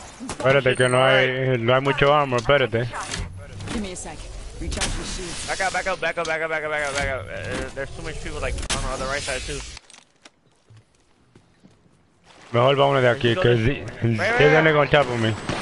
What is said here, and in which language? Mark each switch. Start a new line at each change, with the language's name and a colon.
Spanish: Espérate, que no hay, no hay mucho armor, espérate.
English: Give me a sec. Recharge your shields. Back up, back up, back up, back up, back up, back up. There's too much people like on the right side too.
Spanish: Mejor vámonos de aquí, que se viene con chat por mí.